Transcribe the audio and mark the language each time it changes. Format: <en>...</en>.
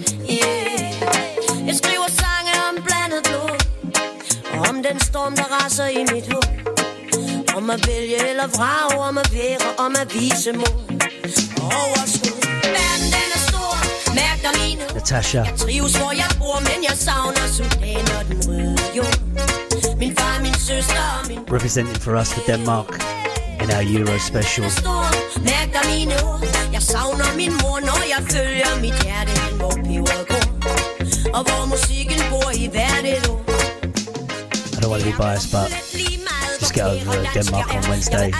<da>Yeah. Jeg skriver sange om blandet blod og om den storm der raser i mit hoved. Om at vælge eller vrage, om at være, om at vise mod. Overskud. Verden den er stor, mærk dig mine. Natasha. Jeg trives hvor jeg bor, men jeg savner Sudan og den røde jord. Min far, min søster og min...</da> <en>Representing for us for Denmark in our Euro special.</en> <da>Verden den er stor, mærk dig mine ord. Jeg savner min mor, når jeg følger mit hjerte hen, hvor peberet går, og hvor musikken bor i hvert et ord.</da> <en>I don't want to be biased, but just get over Denmark on Wednesday.</en>